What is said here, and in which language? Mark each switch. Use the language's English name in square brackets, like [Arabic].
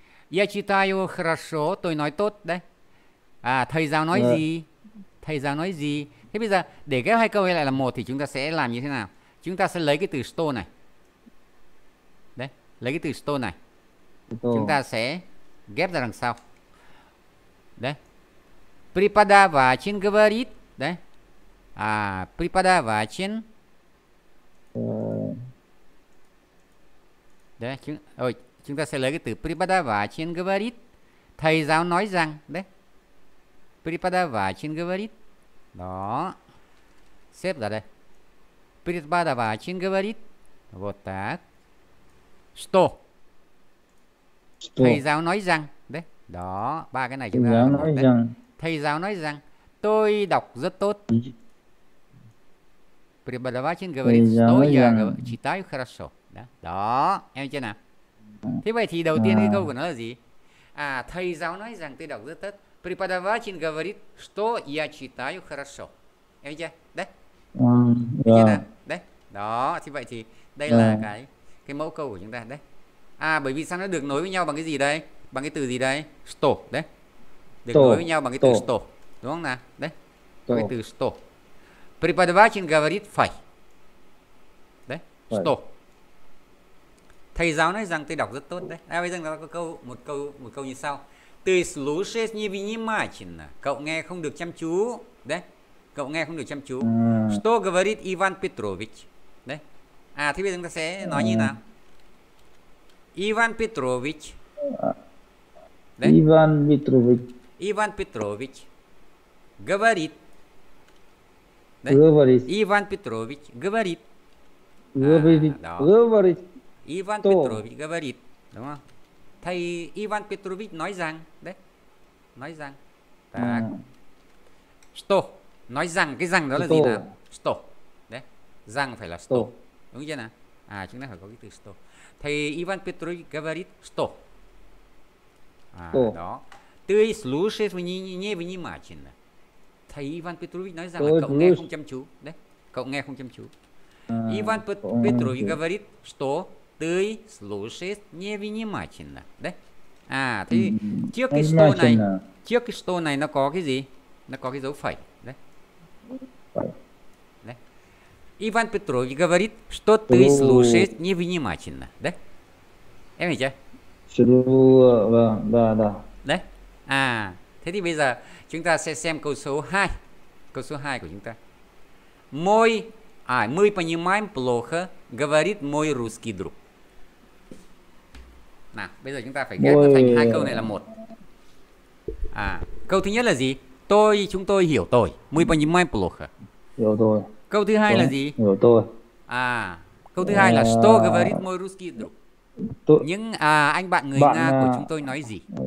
[Russian] Я читаю хорошо. [Vietnamese] Tôi nói tốt. Đấy. À, thầy giáo nói gì? Thầy giáo nói gì? Thế bây giờ để ghép hai câu lại là một thì chúng ta sẽ làm như thế nào? Chúng ta sẽ lấy cái từ sto này. Đấy, lấy cái từ sto này. Chúng ta sẽ ghép ra đằng sau. Đấy. [Russian] Преподаватель говорит, đấy. À, преподаватель. [Vietnamese] Đấy, chúng ta sẽ lấy cái từ [Russian] преподаватель говорит. [Vietnamese] Thầy giáo nói rằng, đấy. [Russian] Преподаватель говорит. [Vietnamese] Đó. Xếp ra đây. [Russian] Преподаватель говорит. Вот так. Что? [Vietnamese] Thầy giáo nói rằng. Đấy. Đó. Ba cái này chúng ta nói đấy. Rằng. Thầy giáo nói rằng. Tôi đọc rất tốt. [Russian] Преподаватель говорит. Tôi читаю хорошо. [Vietnamese] Đó. Em chưa nào? Thế vậy thì đầu tiên cái câu của nó là gì? À, thầy giáo nói rằng tôi đọc rất tốt. [Russian] Преподаватель говорит, что я читаю хорошо. [Vietnamese] Em chưa? Đấy. Yeah. Đấy. Đó. Thì vậy thì đây là cái cái mẫu câu của chúng ta đấy. À bởi vì sao nó được nối với nhau bằng cái gì đây? Bằng cái từ gì đây? Store đấy. Được nối với nhau bằng cái từ store, đúng không nào? Đấy. Bằng cái từ store. [Russian] Преподаватель говорит phải. [Vietnamese] Đấy, store. Thầy giáo nói rằng tôi đọc rất tốt đấy. À bây giờ chúng ta có câu một câu như sau. [Russian] Ты слушаешь невнимательно. [Vietnamese] Cậu nghe không được chăm chú. Đấy. Cậu nghe không được chăm chú. [Russian] Что говорит Иван Петрович? [Vietnamese] Đấy. À thế bây giờ chúng ta sẽ nói như nào? [Russian] Иван Петрович. [Vietnamese] Đấy. Иван Петрович. [Russian] Иван Петрович. Говорит. Đấy. Говорит. Иван Петрович говорит. Говорит. À, говорит. Иван Петрович говорит. [Vietnamese] Đúng không? Thầy Иван Петрович nói rằng, đấy. Nói rằng. [Russian] Так. Что? [Vietnamese] Nói rằng cái rằng đó là gì nào? [Russian] Что. Đấy. [Vietnamese] Rằng phải là что. Đúng chưa nào? À chúng ta phải có cái từ что. [Russian] Thầy Иван Петрович говорит что. [Vietnamese] À đó. [Russian] Ты слушаешь невнимательно. [Vietnamese] Thầy Иван Петрович nói rằng là cậu nghe không chăm chú, đấy. Cậu nghe không chăm chú. [Russian] Иван Петрович говорит что. Ты слушаешь невнимательно. [Vietnamese] Đấy. À thì trước cái что này, trước cái что này nó có cái gì? Nó có cái dấu phẩy, đấy. Đấy. [Russian] Иван Петрович говорит, что ты слушаешь невнимательно. [Vietnamese] Đấy. Em hiểu chưa? Đấy. À, thế thì bây giờ chúng ta sẽ xem câu số 2. Câu số 2 của chúng ta. [Russian] Мой, а, мы понимаем плохо, говорит мой русский друг. [Vietnamese] Nào, bây giờ chúng ta phải ghép nó thành hai câu này là một. À, câu thứ nhất là gì? Tôi, chúng tôi hiểu tôi. [Russian] Мы понимаем плохо. [Vietnamese] Hiểu tôi. Câu thứ hai là gì? Hiểu tôi. À, câu thứ hai là [Russian] что говорит мой русский друг? [Vietnamese] Những anh bạn người Nga của chúng tôi nói gì?